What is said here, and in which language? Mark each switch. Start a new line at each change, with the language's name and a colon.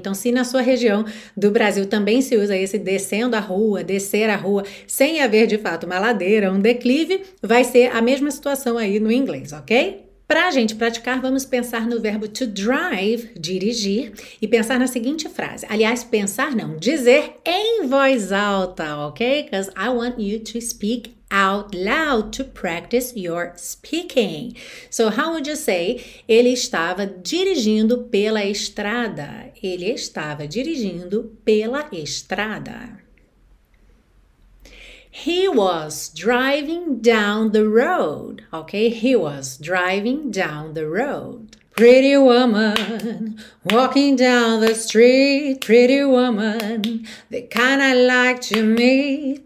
Portuguese: Então, se na sua região do Brasil também se usa esse descendo a rua, descer a rua, sem haver de fato uma ladeira, um declive, vai ser a mesma situação aí no inglês, ok? Para a gente praticar, vamos pensar no verbo to drive, dirigir, e pensar na seguinte frase. Aliás, pensar não, dizer em voz alta, ok?
English: Because I want you to speak out loud to practice your speaking. So, how would you say,
Portuguese: ele estava dirigindo pela estrada? Ele estava dirigindo pela estrada.
English: He was driving down the road, okay? He was driving down the road. Pretty woman, walking down the street. Pretty woman, the kind I like to meet.